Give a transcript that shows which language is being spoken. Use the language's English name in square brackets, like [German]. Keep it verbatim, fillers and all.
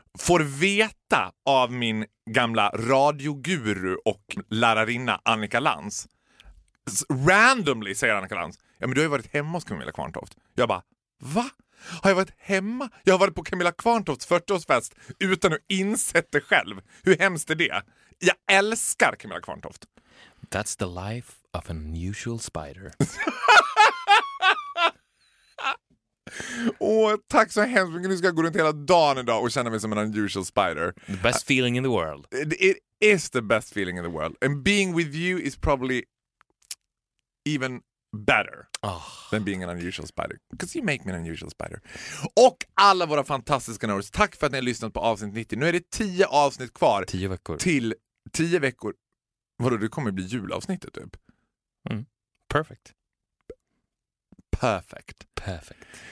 [Swedish] Får veta av min gamla radioguru och lärarinna Annika Lantz. Randomly säger Annika Lantz: ja, men du har ju varit hemma hos Camilla Kvarntoft. Jag bara, va? Har jag varit hemma? Jag har varit på Camilla Kvarntofts fyrtioårsfest utan att insett det själv. Hur hemskt är det? Jag älskar Camilla Kvarntoft. [English] That's the life of an unusual spider. [Swedish] Åh, oh, tack så hemskt mycket. Nu ska jag gå runt hela dagen idag och känna mig som en unusual spider. [English] The best feeling in the world. It, it is the best feeling in the world. And being with you is probably even better oh. than being an unusual spider. Because you make me an unusual spider. [Swedish] Och alla våra fantastiska nerds, tack för att ni har lyssnat på avsnitt nittio. Nu är det tio avsnitt kvar. Tio veckor. Till tio veckor. Vadå, det kommer bli julavsnittet typ. [English] Mm. Perfect. Perfect. Perfect.